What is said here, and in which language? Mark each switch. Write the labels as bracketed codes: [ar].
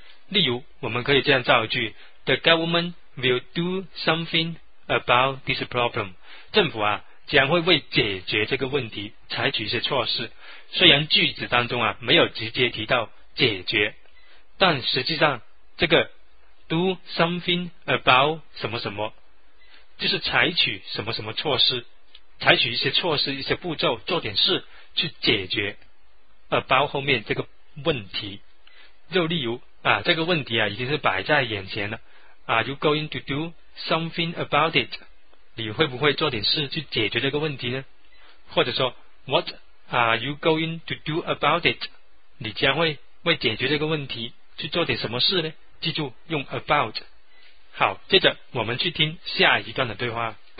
[zh] 例如我们可以这样造句 [en] the government will do something about this problem [zh] 政府啊将会为解决这个问题采取一些措施虽然句子当中啊没有直接提到解决但实际上这个Do something about 什么什么，就是采取什么什么措施，采取一些措施、一些步骤，做点事去解决 about 后面这个问题。就例如啊，这个问题啊已经是摆在眼前了。 [en] Are you going to do something about it? [zh] 你会不会做点事去解决这个问题呢？或者说 [en] ，What are you going to do about it? [zh] 你将会为解决这个问题去做点什么事呢？记住用 about 好接着我们去听下一段的对话